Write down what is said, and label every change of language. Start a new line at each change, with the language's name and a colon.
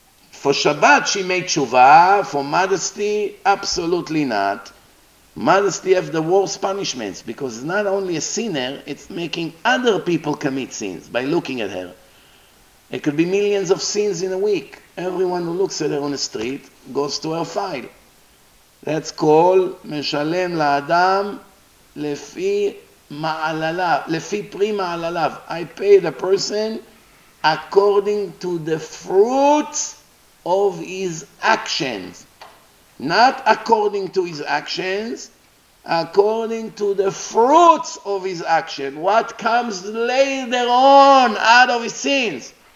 English: For Shabbat, she made tshuva. For modesty, absolutely not. Modesty have the worst punishments because it's not only a sinner, it's making other people commit sins by looking at her. It could be millions of sins in a week. Everyone who looks at her on the street goes to her file. That's called
Hebrew: משלם לאדם לפי מעלליו, לפי פרי מעלליו.
English: I pay the person according to the fruits of his actions. Not according to his actions, according to the fruits of his action. What comes later on out of his sins?